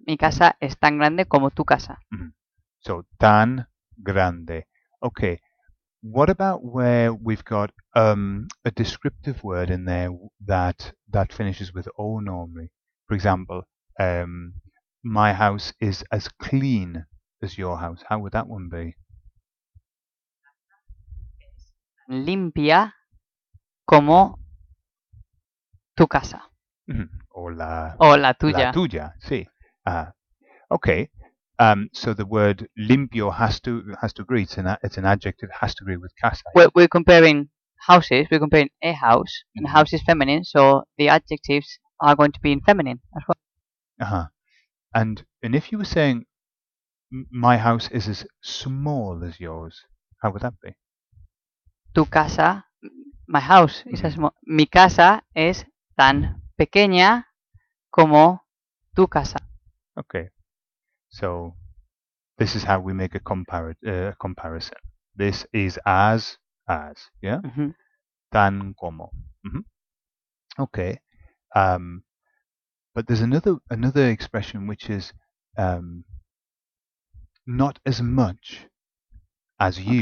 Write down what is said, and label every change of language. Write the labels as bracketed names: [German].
[Spanish] Mi casa es tan grande como tu casa. Mm-hmm. So, tan grande. Okay. [English] What about where we've got a descriptive word in there that finishes with O normally? For example, my house is as clean as your house. How would that one be? [Spanish] Limpia como tu casa. O la tuya. La tuya, sí. [English] Okay. So the word limpio has to agree. It's an adjective, has to agree with casa. We're comparing houses. We're comparing a house. Mm-hmm. And a house is feminine, so the adjectives are going to be in feminine as well. Uh-huh. And if you were saying, my house is as small as yours, how would that be? [Spanish] Tu casa, [English] my house, mm-hmm. [Spanish] Mi casa es tan pequeña como tu casa. [English] Okay, so this is how we make a comparison. This is as, yeah? Mm-hmm. [Spanish] Tan como. Mm-hmm. [English] Okay, but there's another expression which is not as much as you,